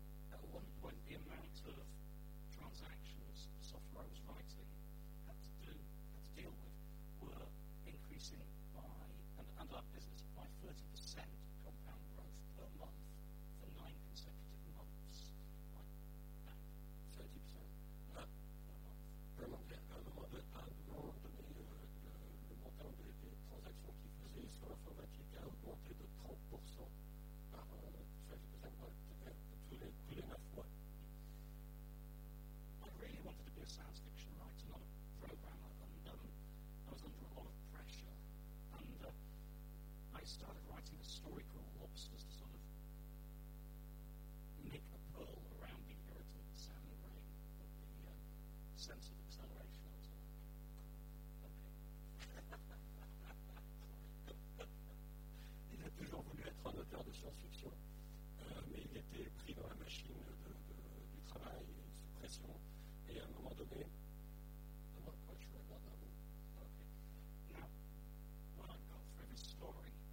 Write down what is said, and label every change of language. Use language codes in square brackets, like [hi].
[en] At one point, the amount of transactions the software I was writing had to deal with were increasing by and our business by 30% compound growth per month for 9 consecutive months. 30%. [fr] À un moment donné, le montant des transactions qu'il faisait sur l'informatique a augmenté de 30% par tous les 9 mois. [en] I really wanted to be a science fiction writer, not a programmer, and I was under a lot of pressure. And I started writing a story called Lobsters to sort of make a pearl around the irritant sound ring of the sense of acceleration. I was like, okay. [fr] Il a toujours voulu être un auteur de science-fiction, mais il était pris dans la machine du travail, sous pression, et à un moment donné, [en] I'm not quite sure about that one. Okay. Now, when I got through this story,